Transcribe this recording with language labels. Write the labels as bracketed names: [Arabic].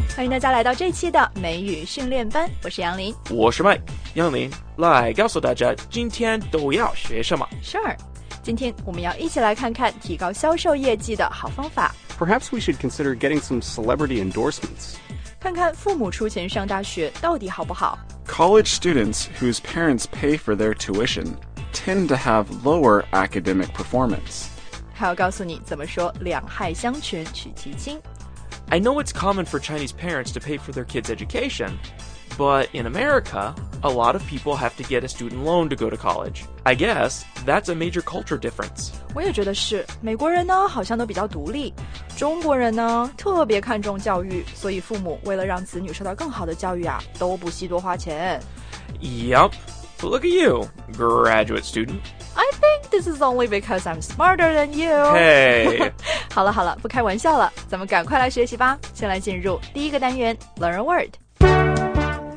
[Chinese] 大家来到这期的美语训练班，我是杨林，我是麦。杨林，来告诉大家今天都要学什么。 Sure， 今天我们要一起来看看提高销售业绩的好方法。 [English] Perhaps we should consider getting some celebrity endorsements， [Chinese] 看看父母出钱上大学到底好不好。 [English] College students whose parents pay for their tuition tend to have lower academic performance。 [Chinese] 还要告诉你怎么说两害相权取其轻。 [English] I know it's common for Chinese parents to pay for their kids' education, but in America, a lot of people have to get a student loan to go to college. I guess that's a major culture difference. [Chinese] 我也觉得是，美国人呢好像都比较独立，中国人呢特别看重教育，所以父母为了让子女受到更好的教育啊，都不惜多花钱。 [English] Yep. But look at you, graduate student. I think this is only because I'm smarter than you. Hey. [Chinese] 好了好了，不开玩笑了，咱们赶快来学习吧。先来进入第一个单元 , [English] Learn a word.